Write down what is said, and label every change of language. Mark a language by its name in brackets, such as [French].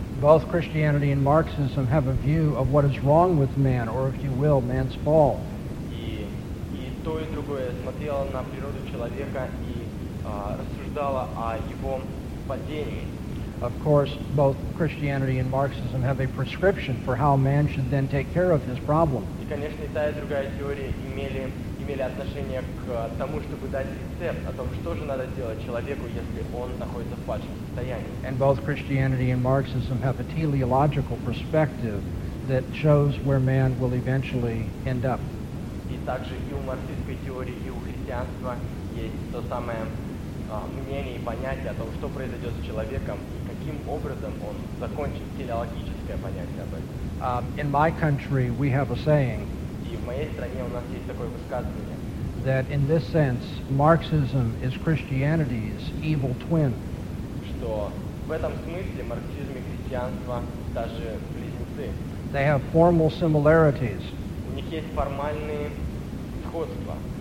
[English] Both Christianity and Marxism have a view of what is wrong with man, or if you will, man's fall. [Russian] И то и другое смотрело на природу человека и рассуждало о его падении. [English] Of course, both Christianity and Marxism have a prescription for how man should then take care of his problem. [Russian] И, конечно, и та, и другая теория имели отношение к тому, чтобы дать рецепт о том, что же надо делать человеку, если он находится в падшем состоянии. [English] And both Christianity and Marxism have a teleological perspective that shows where man will eventually end up. [Russian] И также и у марксистской теории, и у христианства есть то самое мнение и понятие о том, что произойдет с человеком, каким образом он закончит телеологическое понятие об этом. [English] In my country we have a saying, [Russian] и в моей стране у нас есть такое высказывание, [English] that in this sense Marxism is Christianity's evil twin. [Russian] Что в этом смысле марксизм и христианство даже близнецы. [English] They have formal similarities. [Russian] У них есть формальные сходства.